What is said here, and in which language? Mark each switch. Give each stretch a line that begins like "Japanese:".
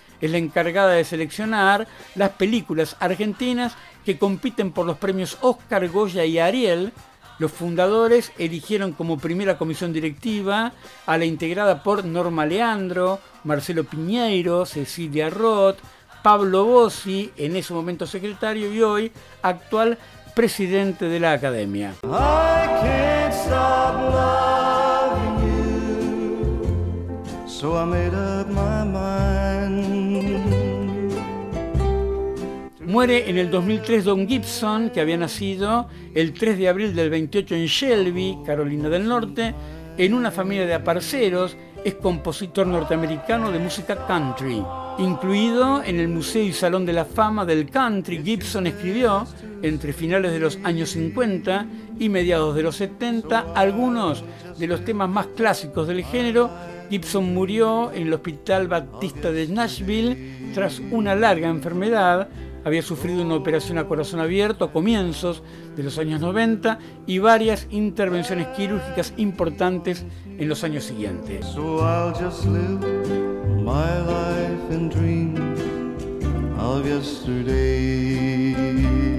Spanish: Es la encargada de seleccionar las películas argentinas que compiten por los premios Oscar, Goya y Ariel. Los fundadores eligieron como primera comisión directiva a la integrada por Norma Leandro, Marcelo Piñeiro, Cecilia Roth, Pablo Bossi, en ese momento secretario y hoy actual presidente de la Academia.
English: I can't stop loving you, so I made up my mind.
Spanish: Muere en el 2003 Don Gibson, que había nacido el 3 de abril del 28 en Shelby, Carolina del Norte, en una familia de aparceros. Es compositor norteamericano de música country. Incluido en el Museo y Salón de la Fama del Country, Gibson escribió, entre finales de los años 50 y mediados de los 70, algunos de los temas más clásicos del género. Gibson murió en el Hospital Baptista de Nashville tras una larga enfermedad. Había sufrido una operación a corazón abierto a comienzos de los años 90 y varias intervenciones quirúrgicas importantes en los años siguientes.
English: So I'll just live my life in dreams of yesterday.